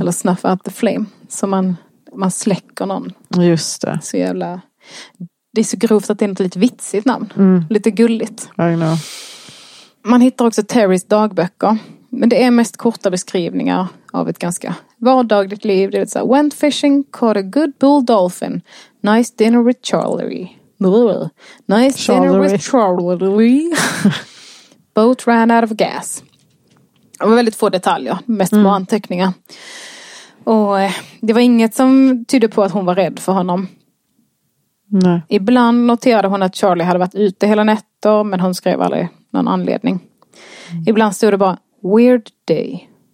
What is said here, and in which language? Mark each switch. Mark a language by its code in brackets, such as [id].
[sv] Eller [en] snuff out the flame. [sv] Så man släcker någon. Just det. Så jävla... Det är så grovt att det är något lite vitsigt namn. Mm. Lite gulligt. [en] I know. [sv] Man hittar också Terrys dagböcker. Men det är mest korta beskrivningar av ett ganska vardagligt liv. Det vill säga, [en] went fishing, caught a good bull dolphin. Nice dinner with Charlie. Nice dinner with Charlie. Boat ran out of gas. [sv] Det var väldigt få detaljer, mest på anteckningar. Och det var inget som tydde på att hon var rädd för honom. Nej. Ibland noterade hon att Charlie hade varit ute hela nätter, men hon skrev aldrig någon anledning. Mm. Ibland stod det bara, [en] weird day.